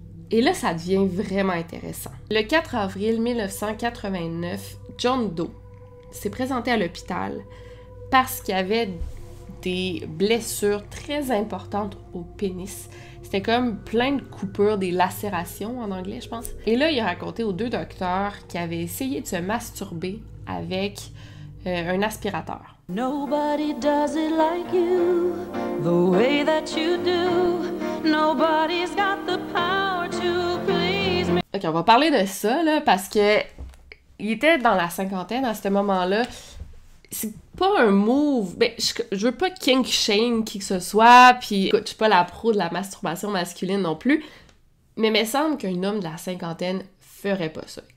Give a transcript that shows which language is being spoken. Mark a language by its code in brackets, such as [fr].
[fr] Et là, ça devient vraiment intéressant. Le 4 avril 1989, John Doe s'est présenté à l'hôpital parce qu'il avait des blessures très importantes au pénis. C'était comme plein de coupures, des lacérations en anglais, je pense. Et là, il a raconté aux deux docteurs qu'il avait essayé de se masturber avec un aspirateur. [en] Nobody does it like you, the way that you do. Nobody's got the power to please me. [fr] Ok, on va parler de ça, là, parce que il était dans la cinquantaine à ce moment-là. C'est pas un move, ben je veux pas kink shame qui que ce soit, puis je suis pas la pro de la masturbation masculine non plus, mais il me semble qu'un homme de la cinquantaine ferait pas ça.